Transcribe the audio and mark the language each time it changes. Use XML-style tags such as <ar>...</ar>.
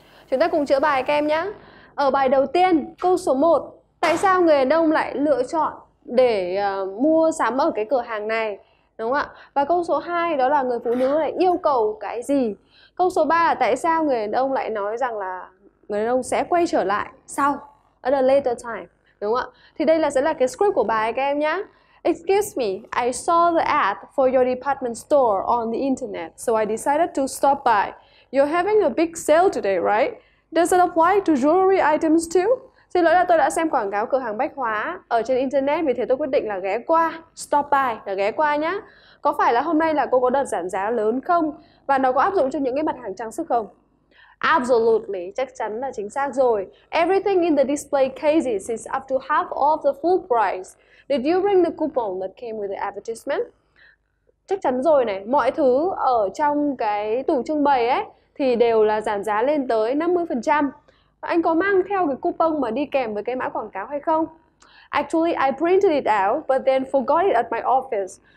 <vi>Chúng ta cùng chữa bài các em nhé. Ở bài đầu tiên, câu số 1, tại sao người đàn ông lại lựa chọn để mua sắm ở cái cửa hàng này? Đúng không ạ? Và câu số 2 đó là người phụ nữ lại yêu cầu cái gì? Câu số 3 là tại sao người đàn ông lại nói rằng là người đàn ông sẽ quay trở lại sau,</vi> <en>at a later time?</en> <vi>Đúng không ạ? Thì đây là sẽ là cái script của bài các em nhé.</vi> <en>Excuse me, I saw the ad for your department store on the internet, so I decided to stop by. You're having a big sale today, right? Does it apply to jewelry items too?</en> <vi>Xin lỗi là tôi đã xem quảng cáo cửa hàng bách hóa ở trên internet, vì thế tôi quyết định là ghé qua,</vi> <en>stop by,</en> <vi>là ghé qua nhá. Có phải là hôm nay là cô có đợt giảm giá lớn không? Và nó có áp dụng cho những cái mặt hàng trang sức không? Absolutely, chắc chắn là chính xác rồi.</vi> <en>Everything in the display cases is up to half of the full price. Did you bring the coupon that came with the advertisement?</en> <vi>Chắc chắn rồi này, mọi thứ ở trong cái tủ trưng bày ấy thì đều là giảm giá lên tới 50%. Anh có mang theo cái coupon mà đi kèm với cái mã quảng cáo hay không?</vi> <en>Actually, I printed it out, but then forgot it at my office.</en>